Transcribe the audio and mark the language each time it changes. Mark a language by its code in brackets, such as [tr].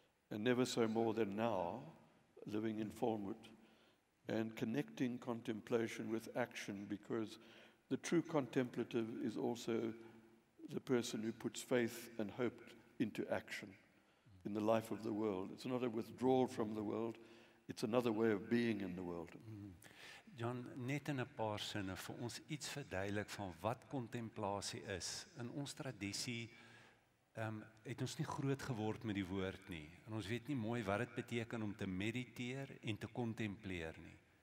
[en] And never so more than now, living in Falmouth, and connecting contemplation with action, because the true contemplative is also the person who puts faith and hope into action in the life of the world. It's not a withdrawal from the world, it's another way of being in the world. [af] John, net in 'n paar sinne vir ons iets verduidelik van wat kontemplasie is in ons tradisie. Het ons nie groot geword met die woord nie, en ons weet nie mooi wat het beteken om te mediteer en te contempleer nie.